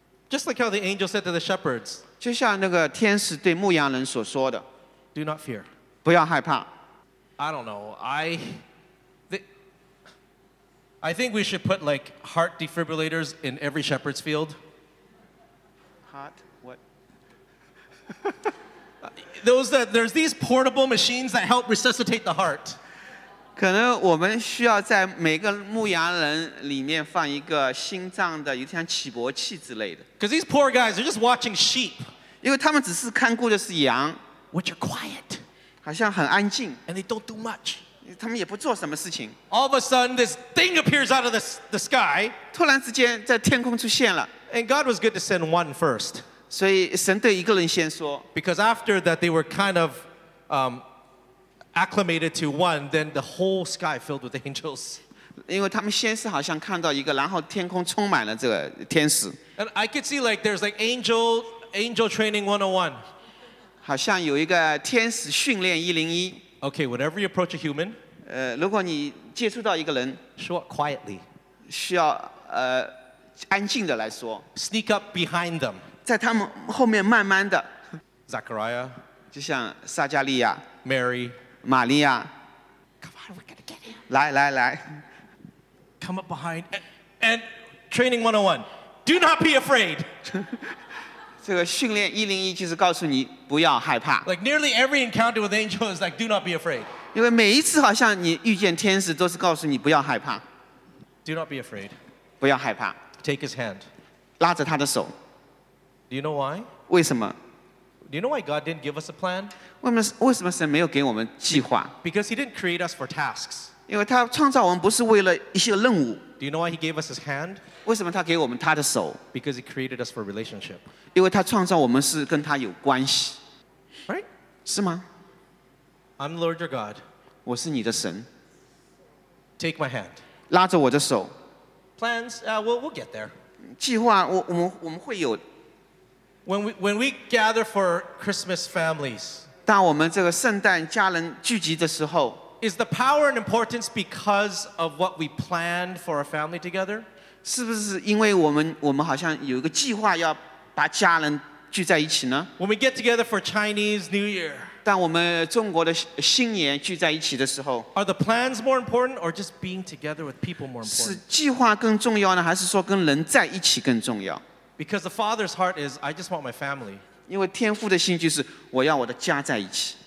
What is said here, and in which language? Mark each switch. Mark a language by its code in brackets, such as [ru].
[en] Just like how the angel said to the shepherds, [zh] 就像那个天使对牧羊人所说的 [en] ，Do not fear, [zh] 不要害怕。 [en] I don't know. I think we should put like heart defibrillators in every shepherd's field. Heart? What? there's these portable machines that help resuscitate the heart. [zh] 可能我们需要在每个牧羊人里面放一个心脏的，有像起搏器之类的。 [en] Because these poor guys are just watching sheep. [zh] 因为他们只是看顾的是羊。 [en] Which are quiet. [zh] 好像很安静。 [en] And they don't do much. [zh] 他们也不做什么事情。 [en] All of a sudden, this thing appears out of the sky. [zh] 突然之间在天空出现了。 [en] And God was good to send one first. [zh] 所以神对一个人先说。 [en] Because after that, they were kind of, acclimated to one, then the whole sky filled with angels. [zh] 因为他们先是好像看到一个，然后天空充满了这个天使。 [en] And I could see like there's like angel training 101. [zh] 好像有一个天使训练一零一。 [en] Okay, whenever you approach a human, [zh] 如果你接触到一个人， [en] 说 quietly， [zh] 需要安静的来说。 [en] Sneak up behind them， [zh] 在他们后面慢慢的。 [en] Zachariah， [zh] 就像撒加利亚。 [en] Mary， [zh] 玛利亚。 [en] Come on, we're gonna get him. [zh] 来来来。 [en] Come up behind and training 101. Do not be afraid. [zh] 这个训练一零一就是告诉你不要害怕。 [en] Like nearly every encounter with angels, like do not be afraid. [zh] 因为每一次好像你遇见天使都是告诉你不要害怕。 [en] Do not be afraid. [zh] 不要害怕。 [en] Take his hand. [zh] 拉着他的手。 [en] Do you know why? [zh] 为什么？ [en] Do you know why God didn't give us a plan? [zh] 为什么神没有给我们计划？ [en] Because he didn't create us for tasks. [zh] 因为他创造我们不是为了一些任务。 [en] Do you know why he gave us his hand? [zh] 为什么他给我们他的手？ [en] Because he created us for relationship. [zh] 因为他创造我们是跟他有关系。 [en] Right? [zh] 是吗？ [en] I'm the Lord your God. [zh] 我是你的神。 [en] Take my hand. [zh] 拉着我的手。 [en] Plans, we'll get there. [zh] 计划我们会有。 [en] When we gather for Christmas families, [zh] 当我们这个圣诞家人聚集的时候， [en] Is the power and importance because of what we planned for our family together? [zh] 是不是因为我们好像有一个计划要把家人聚在一起呢？ [en] When we get together for Chinese New Year, [zh] 当我们中国的新年聚在一起的时候， [en] are the plans more important or just being together with people more important? [zh] 是计划更重要呢，还是说跟人在一起更重要？ [en] Because the Father's heart is, I just want my family. [zh] 因为天父的心就是我要我的家在一起。